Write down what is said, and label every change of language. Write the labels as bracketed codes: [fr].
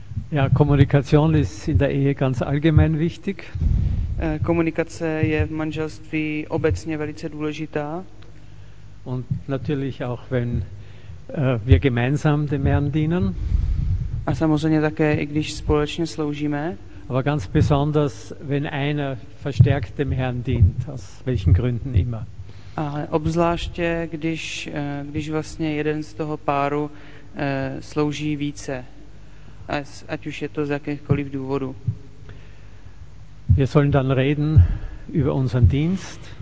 [de] Ja, Kommunikation ist in der Ehe ganz allgemein wichtig. [cs] Komunikace je v manželství obecně velice důležitá. [de] Und natürlich auch wenn wir gemeinsam dem Herrn dienen. [cs] A samozřejmě také, i když společně sloužíme. [de] Aber ganz besonders, wenn einer verstärkt dem Herrn dient, aus welchen Gründen immer. [cs] Ale obzvláště, když vlastně jeden z toho páru slouží více, ať už je to z jakýchkoliv důvodů. [de] Wir sollen dann reden über unseren Dienst.